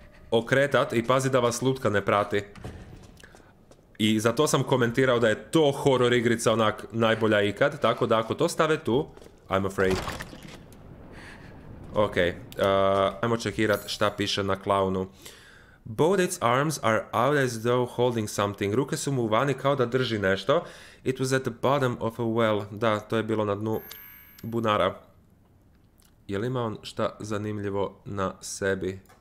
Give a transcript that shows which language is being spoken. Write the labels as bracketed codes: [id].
[hr] okretat i pazi da vas lutka ne prati. I za to sam komentirao da je to horror igrica onak najbolja ikad. Tako da ako to stave tu, [en] I'm afraid. [hr] Ok, ajmo čekirat šta piše na klaunu. [en] Both its arms are out as though holding something. [hr] Ruke su mu vani kao da drži nešto. [en] It was at the bottom of a well. [hr] Da, to je bilo na dnu bunara. Je li ima on šta zanimljivo na sebi?